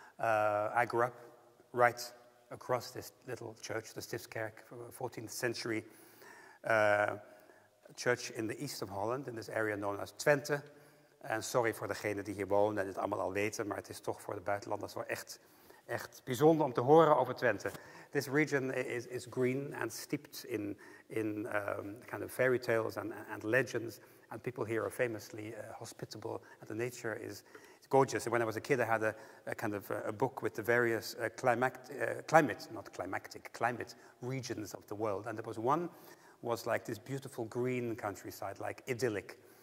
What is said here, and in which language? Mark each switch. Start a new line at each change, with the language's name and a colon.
English: I grew up right across this little church, the Stiftskerk, from a 14th century church in the east of Holland, in this area known as Twente.
Dutch: And sorry voor degenen die hier wonen en het allemaal al weten, maar het is toch voor de buitenlanders wel echt bijzonder om te horen over Twente.
English: This region is green and steeped in kind of fairy tales and legends, and people here are famously hospitable, and the nature is gorgeous. And when I was a kid, I had a kind of a book with the various climate regions of the world, and there was one was like this beautiful green countryside, like idyllic.